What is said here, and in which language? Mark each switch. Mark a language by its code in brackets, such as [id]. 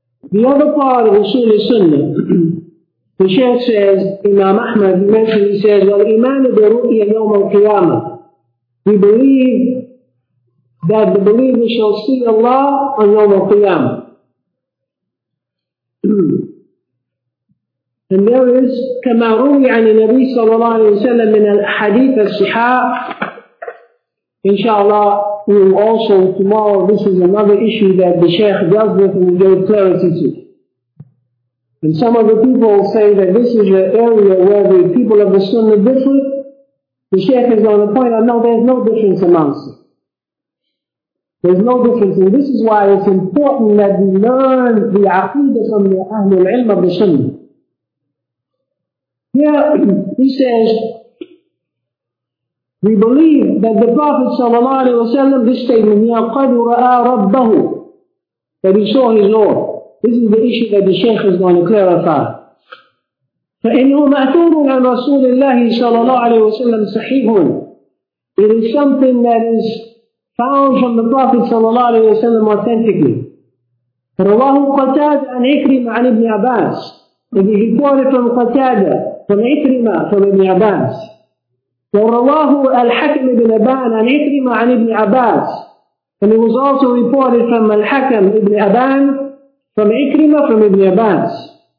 [en] The other part of Usul al-Sunnah, the Shaykh says, Imam Ahmad, he says, well, [ar] Iman al-Ru'ya yawm al-Qiyamah. [en] We believe that the believer shall see Allah on yawm al-Qiyamah. And there is, [ar] كما روي عن النبي صلى الله عليه وسلم من الحديث الصحاح. [en] Inshallah, we will also tomorrow. This is another issue that the Shaykh deals with and gave clarity to. And some of the people say that this is the area where the people of the Sunnah differ. The Shaykh is on the point of no, there's no difference amongst them. There's no difference. And this is why it's important that we learn the Aqidah from the Ahlul Ilm of the Sunnah. Here, he says, we believe that the Prophet sallallahu alaihi wasallam, this statement, [ar] يَقَدْ رَآ رَبَّهُ, [en] that he saw his Lord. This is the issue that the Shaykh is going to clarify. [ar] فَإِنْهُ مَأْثُورٌ عَنْ رَسُولِ اللَّهِ صَلَى اللَّهُ عَلَيْهِ وَسَلَّمْ صَحِيحٌ. [en] It is something that is found from the Prophet sallallahu alaihi wasallam authentically. [ar] رواه قتادة عن إكرمة عن ابن عباس. [en] It is reported from قتادة, from إكرمة, from ابن عباس. [ar] ورواه الحكم بن أبان عن إكرمة عن ابن عباس. [en] And it was also reported from الحكم ابن أبان, from إكرمة, from ابن عباس.